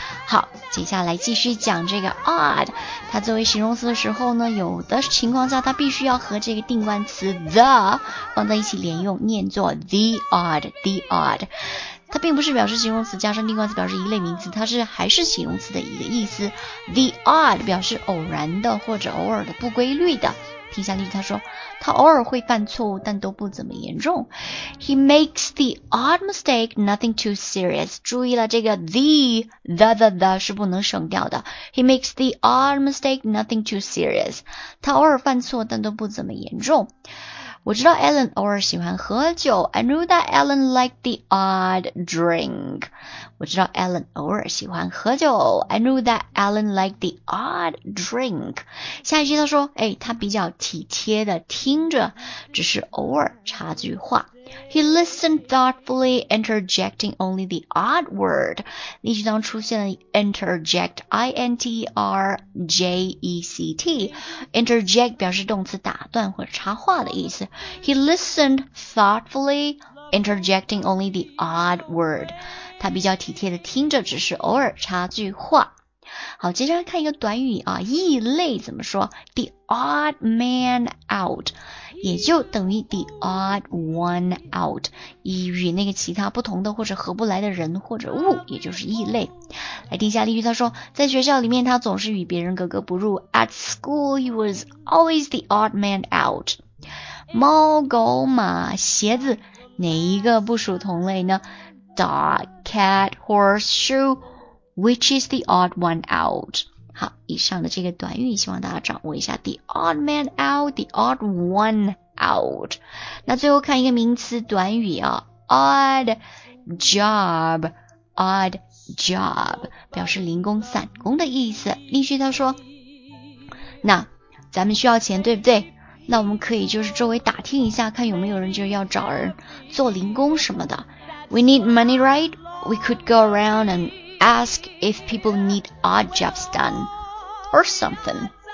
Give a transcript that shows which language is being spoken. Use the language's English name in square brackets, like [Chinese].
[Chinese] 好，接下来继续讲这个 odd。它作为形容词的时候呢，有的情况下它必须要和这个定冠词 the 放在一起连用，念作 the odd, the odd。它并不是表示形容词加上定冠词表示一类名词，它是还是形容词的一个意思。 The odd 表示偶然的或者偶尔的，不规律的。听下例子，他说他偶尔会犯错误但都不怎么严重。 [English] He makes the odd mistake, nothing too serious. [Chinese] 注意了，这个 the 是不能省掉的。 [English] He makes the odd mistake, nothing too serious. [Chinese] 他偶尔犯错但都不怎么严重。我知道 Ellen 偶尔喜欢喝酒。 [English] I knew that Ellen liked the odd drink. [Chinese] 我知道 Ellen 偶尔喜欢喝酒。 [English] I knew that Ellen liked the odd drink. [Chinese] 下一句他说，哎，他比较体贴的听着，只是偶尔插句话。 [English] He listened thoughtfully, interjecting only the odd word. [Chinese] 例句当出现了 [English] interject, I-N-T-R-J-E-C-T. [Chinese] Interject 表示动词打断或者插话的意思。 [English] He listened thoughtfully, interjecting only the odd word. [Chinese] 他比较体贴的听着，只是偶尔插句话。好，接下来看一个短语啊，异类怎么说？ The odd man out 也就等于 the odd one out， 与那个其他不同的或者合不来的人或者物，也就是异类。来听一下例句，他说在学校里面他总是与别人格格不入。 [English] At school he was always the odd man out。 [Chinese] 猫狗马鞋子哪一个不属同类呢？ [English] Dog, cat, horse, shoe,Which is the odd one out? [Chinese] 好，以上的这个短语希望大家掌握一下。 [English] The odd man out, the odd one out. [Chinese] 那最后看一个名词短语啊， odd job, odd job 表示零工散工的意思。例句他说，那咱们需要钱对不对？那我们可以就是周围打听一下，看有没有人就要找人做零工什么的。 [English] We need money, right? We could go around andAsk if people need odd jobs done or something.